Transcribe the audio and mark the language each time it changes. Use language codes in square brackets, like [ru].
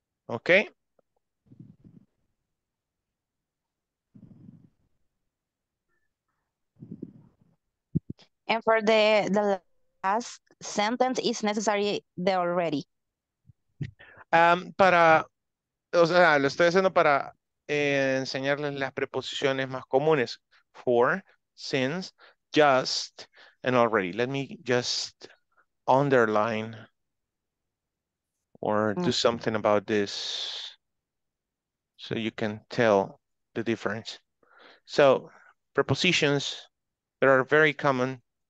[en] Okay. And for the last sentence, is necessary the already. [es] Para, o sea, lo estoy haciendo para enseñarles las preposiciones más comunes. [en] For, since, just, and already. Let me just underline or do something about this so you can tell the difference. So, prepositions that are very common.